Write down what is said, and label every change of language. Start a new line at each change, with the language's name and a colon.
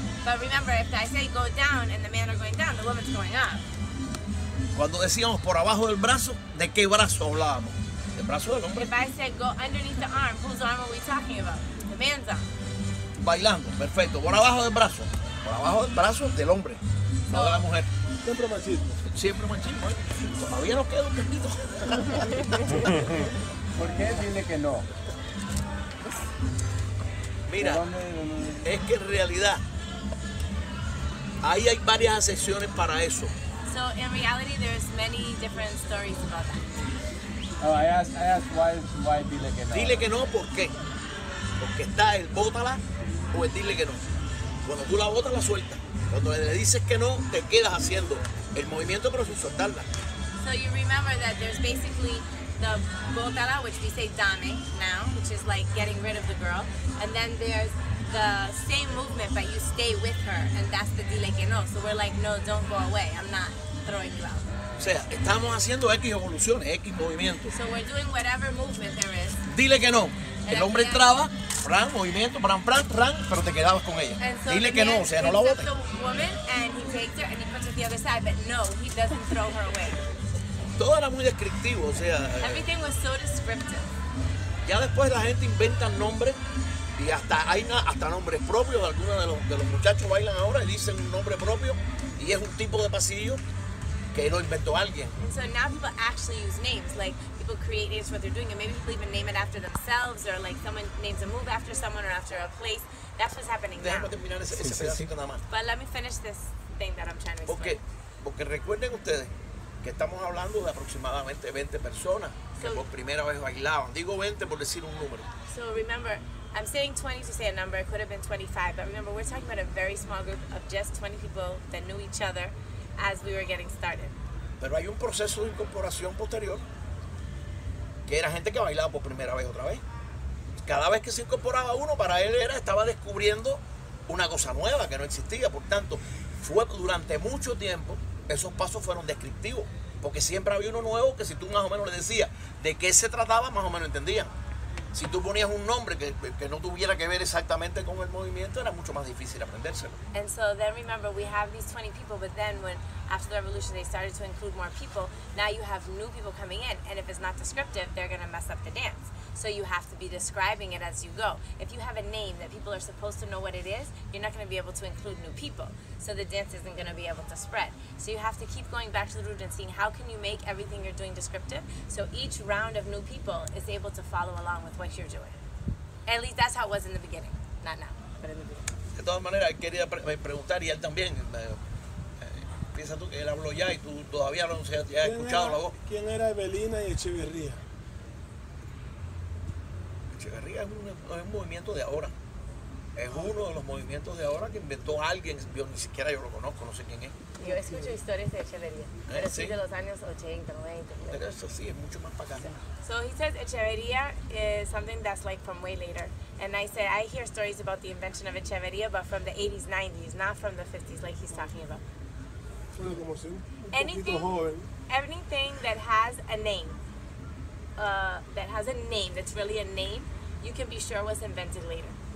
English: But remember, if I say go down and the men are going down, the woman's going up.
Spanish: Cuando decíamos por abajo del brazo, ¿de qué brazo hablábamos? ¿El brazo del hombre?
English: If I said go underneath the arm, whose arm are we talking about? The man's arm.
Spanish: Bailando, perfecto. Por abajo del brazo. Por abajo del brazo del hombre, no de la mujer. Siempre machismo. Siempre machismo. Todavía nos queda un poquito. ¿Por qué dice que no? Mira, es que en realidad ahí hay varias excepciones para eso.
English: So in reality, there's many different stories about that. Oh, I asked why dile que no.
Spanish: Dile que no, ¿por qué? Porque está el bótala o el dile que no. Cuando tú la botas, la sueltas. Cuando le dices que no, te quedas haciendo el movimiento, pero sin soltarla.
English: So you remember that there's basically the bótala, which we say dame now, which is like getting rid of the girl. And then there's the same movement, but you stay with her. And that's the dile que no. So we're like, no, don't go away. I'm not throwing you out.
Spanish: O sea, estamos haciendo X evoluciones, X movimientos.
English: So we're doing whatever movement there is.
Spanish: Dile que no. El hombre entraba, ran, movimiento, pran, pran, ran, pero te quedabas con ella.
English: So
Spanish: dile
English: man,
Spanish: que no, o sea, no la botes.
English: He accepts the woman and he takes her and he puts her to the other side, but no, he doesn't throw her away.
Spanish: Todo era muy descriptivo, o sea.
English: Everything was so descriptive.
Spanish: Ya después la gente inventa nombres y hasta nombres propios. Algunos de los muchachos bailan ahora y dicen un nombre propio y es un tipo de pasillo que lo inventó alguien.
English: And so now people actually use names, like people create names for what they're doing, and maybe people even name it after themselves, or like someone names a move after someone or after a place. That's what's happening now.
Spanish: Déjame terminar ese pedacito nada más.
English: But let me finish this thing that I'm trying to explain.
Spanish: Porque recuerden ustedes que estamos hablando de aproximadamente 20 personas que por primera vez bailaban. Digo 20 por decir un número.
English: So remember, I'm saying 20 to say a number. It could have been 25, but remember, we're talking about a very small group of just 20 people that knew each other as we were getting started.
Spanish: Pero hay un proceso de incorporación posterior. Que era gente que bailaba por primera vez otra vez. Cada vez que se incorporaba uno, para él estaba descubriendo una cosa nueva que no existía. Por tanto, fue durante mucho tiempo, esos pasos fueron descriptivos. Porque siempre había uno nuevo que si tú más o menos le decías de qué se trataba, más o menos entendían. Si tú ponías un nombre que no tuviera que ver exactamente con el movimiento, era mucho más difícil aprendérselo.
English: And so then remember, we have these 20 people, but then when after the revolution they started to include more people, now you have new people coming in, and if it's not descriptive, they're going to mess up the dance. So you have to be describing it as you go. If you have a name that people are supposed to know what it is, you're not going to be able to include new people. So the dance isn't going to be able to spread. So you have to keep going back to the root and seeing how can you make everything you're doing descriptive so each round of new people is able to follow along with what you're doing. At least that's how it was in the beginning. Not now, but in the beginning.
Spanish: De todas maneras, quería preguntar, y él también, piensa tú que él habló ya y tú todavía no se ha escuchado la voz. ¿Quién era Evelina y Echeverría? Echeverría es un movimiento de ahora. Es uno de los movimientos de ahora que inventó alguien, yo ni siquiera yo lo conozco, no sé quién es. Yo escucho historias de Echeverría, pero sí de los años 80, 90. Pero eso sí, es mucho más para acá.
English: So he says Echeverría is something that's like from way later. And I said, I hear stories about the invention of Echeverría, but from the 80s, 90s, not from the 50s, like he's talking about.
Spanish: Suena como si un poquito joven.
English: Anything that has a name, that's really a name, you can be sure was invented later.